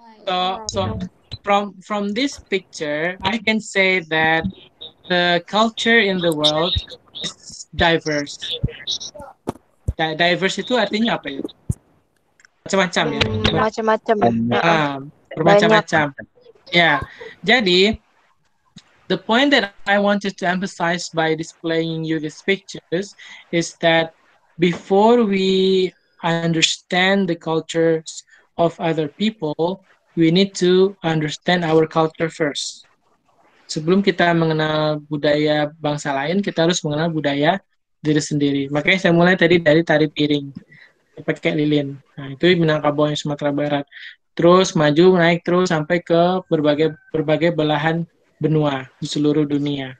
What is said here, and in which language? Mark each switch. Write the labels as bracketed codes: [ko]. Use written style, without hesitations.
[en] Nah, so from this picture, I can say that the culture in the world is diverse. [id] Diverse itu artinya apa ya? Macam-macam ya. Macam-macam. Bermacam-macam. Yeah. [en] Jadi, the point that I wanted to emphasize by displaying you these pictures is that before we understand the cultures of other people, we need to understand our culture first. [id] Sebelum kita mengenal budaya bangsa lain, kita harus mengenal budaya diri sendiri. Makanya saya mulai tadi dari tari piring pakai lilin. Nah, itu Minangkabau yang Sumatera Barat. Terus maju naik terus sampai ke berbagai belahan benua di seluruh dunia.